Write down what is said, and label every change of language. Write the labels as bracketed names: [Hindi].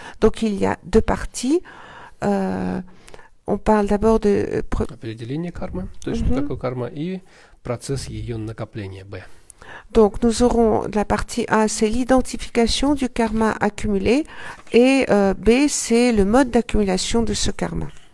[French] Donc, il y a deux parties. On parle d'abord de... [Russian] определение кармы, то есть что такое карма, и процесс ее накопления, Б. [French] Donc, nous aurons la partie A, c'est l'identification du karma accumulé, et B, c'est le mode d'accumulation de ce karma.